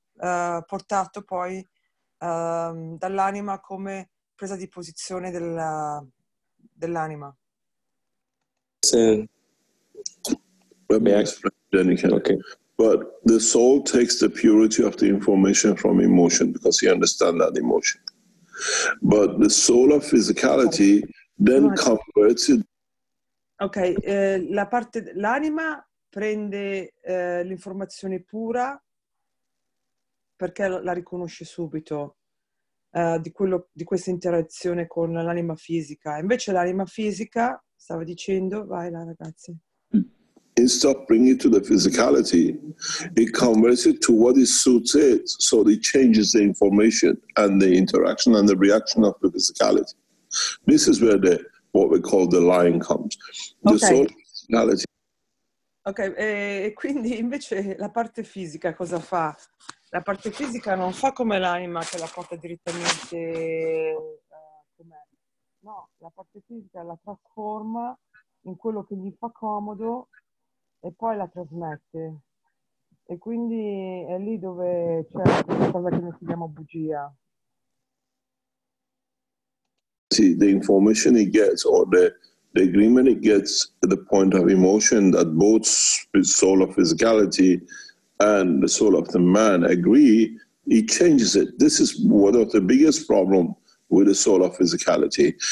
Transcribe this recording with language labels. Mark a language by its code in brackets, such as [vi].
[it] portato poi dall'anima come presa di posizione dell'anima. [en] Let me explain, then you can. Okay. But the soul takes the purity of the information from emotion because he understands that emotion. But the soul of physicality then converts it. [it] Okay, l'anima prende l'informazione pura. Perché la riconosce subito di questa interazione con l'anima fisica. Invece l'anima fisica, stava dicendo, vai là ragazzi. [en] Instead of bringing it to the physicality, it converts it to what it suits it, so it changes the information and the interaction and the reaction of the physicality. This is where the, what we call the line comes. The okay. Soul physicality. [it] Ok, e quindi invece la parte fisica cosa fa? La parte fisica non fa come l'anima che la porta direttamente com'è. No, la parte fisica la trasforma in quello che gli fa comodo e poi la trasmette. E quindi è lì dove c'è questa cosa che noi chiamiamo bugia. [en] Sì, the information he gets or the agreement he gets at the point of emotion that both his soul of physicality and the soul of the man agree, it changes it. This is one of the biggest problem with the soul of physicality.